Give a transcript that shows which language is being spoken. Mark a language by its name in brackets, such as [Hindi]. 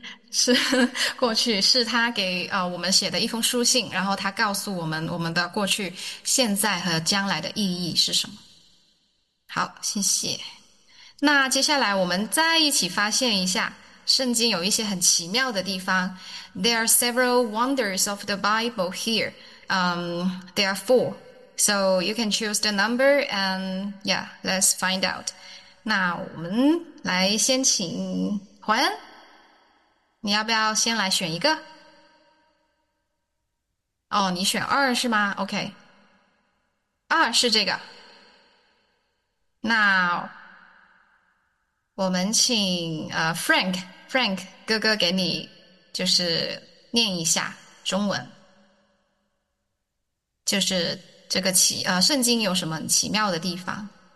[Chinese] 是过去，是他给我们写的一封书信，然后他告诉我们我们的过去、现在和将来的意义是什么。好，谢谢。那接下来我们再一起发现一下，圣经有一些很奇妙的地方。 [English] There are several wonders of the Bible here. There are four, so you can choose the number and yeah, let's find out. [Chinese] 那我们来先请怀恩。你要不要先来选一个？哦，你选二是吗？OK，二是这个。那我们请Frank 哥哥给你就是念一下中文，就是这个圣经有什么奇妙的地方？